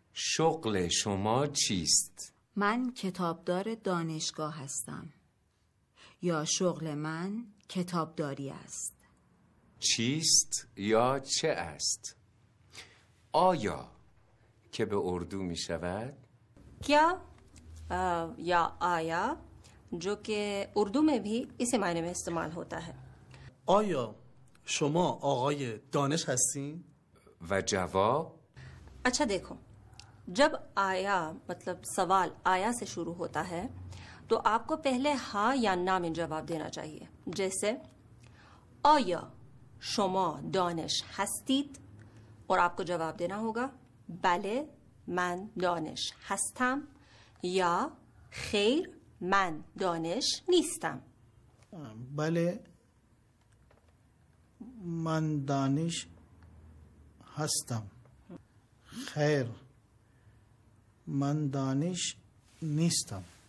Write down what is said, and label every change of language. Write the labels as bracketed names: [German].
[Persian] شغل شما چیست؟ من کتابدار دانشگاه هستم. یا شغل من کتابداری است. چیست یا چه است؟ آیا که به اردو می شود؟ [Urdu] کیا یا آیا جو که اردو میں بھی اسی معنی میں استعمال ہوتا ہے. [Persian] آیا شما آقای دانش هستین؟ و جواب؟ [Urdu] اچھا دیکھو، جب آیا مطلب سوال آیا سے شروع ہوتا ہے تو آپ کو پہلے ہاں یا نا میں جواب دینا چاہیے. جیسے آیا شما دانش هستید؟ اور آپ کو جواب دینا ہوگا بلے من دانش هستم، یا خیر من دانش نیستم. [Persian] بله من دانش هستم، خیر من دانش نیستم.